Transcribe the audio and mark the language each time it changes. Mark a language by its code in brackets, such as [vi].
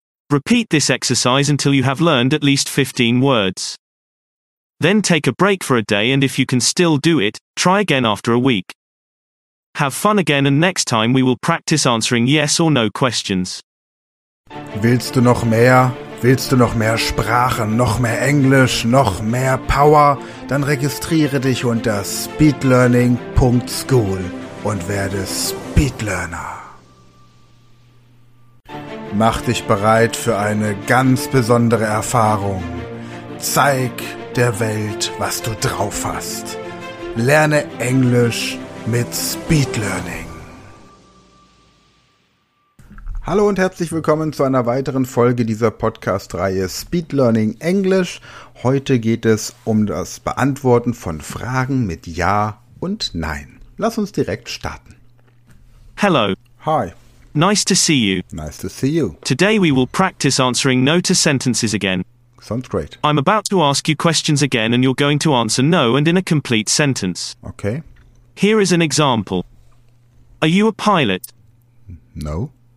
[en] Repeat this exercise until you have learned at least 15 words. Then take a break for a day and if you can still do it, try again after a week. Have fun again and next time we will practice answering yes or no questions. [de] Willst du noch mehr Willst du noch mehr Sprachen, noch mehr Englisch, noch mehr Power? Dann registriere dich unter speedlearning.school und werde Speedlearner. Mach dich bereit für eine ganz besondere Erfahrung. Zeig der Welt, was du drauf hast. Lerne Englisch mit Speedlearning. Hallo und herzlich willkommen zu einer weiteren Folge dieser Podcast-Reihe Speed Learning Englisch. Heute geht es um das Beantworten von Fragen mit Ja und Nein. Lass uns direkt starten. [en] Hello. Hi. Nice to see you. Nice to see you. Today we will practice answering no to sentences again. Sounds great. I'm about to ask you questions again and you're going to answer no and in a complete sentence. Okay. Here is an example. Are you a pilot? No.